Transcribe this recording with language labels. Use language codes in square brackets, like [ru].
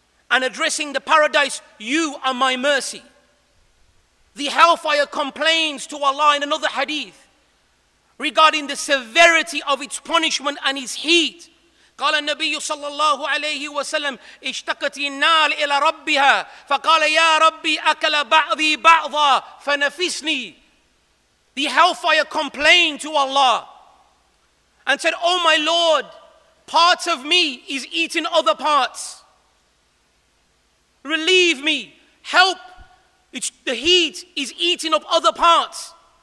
[en] And addressing the paradise, you are my mercy. The hellfire complains to Allah in another hadith regarding the severity of its punishment and its heat. [ar] قال النبي صلى الله عليه وسلم اشتقت النار إلى ربها فقال يا ربي أكل بعضي بعضا فنفسني. [en] The hellfire complained to Allah and said, "Oh my Lord, part of me is eating other parts. Relieve me, help. It's the heat is eating up other parts."